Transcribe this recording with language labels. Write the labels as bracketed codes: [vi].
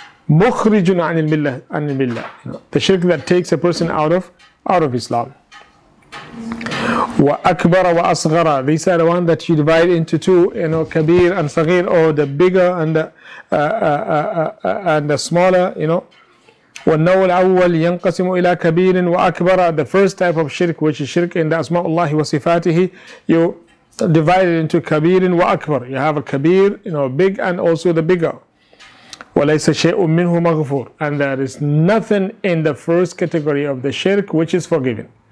[ar] مُخْرِجٌ عَنِ الْمِلَّةِ. [en] The shirk that takes a person out of Islam. [ar] وَأَكْبَرَ وَأَصْغَرَ. [en] These are the ones that you divide into two, you know, kabir and saghir, or the bigger and the smaller, you know. [ar] والنوع الأول ينقسم إلى كبير وأكبر. [en] The first type of shirk, which is shirk in the [ar] أسماء الله وصفاته, [en] you divide it into [ar] كبير وأكبر. [en] You have a كبير, you know, big, and also the bigger. [ar] وليس شيء منه مغفور. [en] And there is nothing in the first category of the shirk which is forgiven.